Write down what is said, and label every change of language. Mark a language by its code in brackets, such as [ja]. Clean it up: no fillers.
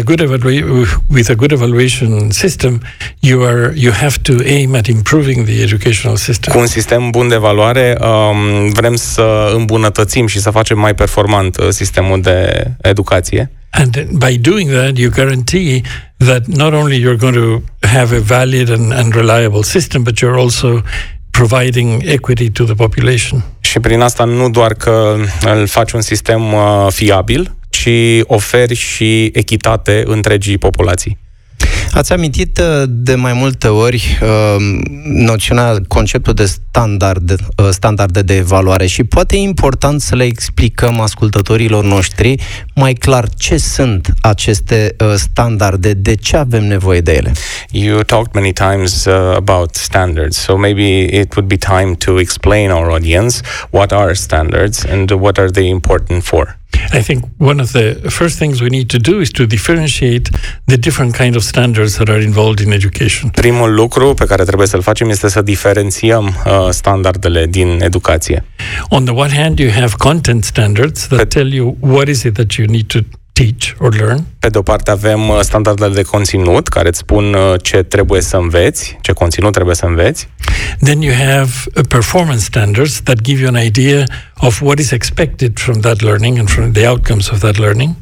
[en] With a good evaluation system, you have to aim at improving the educational system. [ro] Cu un sistem bun de evaluare, vrem să îmbunătățim și să facem mai performant sistemul de educație. [en] And by doing that, you guarantee that not only you're going to have a valid and reliable system, but you're also providing equity to the population. [ro] Și prin asta nu doar că îl faci un sistem fiabil, și oferi și echitate întregii populații. Ați amintit de mai multe ori noțiunea, conceptul de standarde de evaluare și poate e important să le explicăm ascultătorilor noștri mai clar ce sunt aceste standarde, de ce avem nevoie de ele. [en] You talked many times about standards, so maybe it would be time to explain our audience what are standards and what are they important for. I think one of the first things we need to do is to differentiate the different kind of standards that are involved in education. [ro] Primul lucru pe care trebuie să-l facem este să diferențiem standardele din educație. [en] On the one hand, you have content standards that tell you what is it that you need to teach or learn. [ro] Pe de o parte avem standardele de conținut care îți spun ce trebuie să înveți, ce conținut trebuie să înveți. [en] Then you have performance standards that give you an idea of what is expected from that learning and from the outcomes of that learning.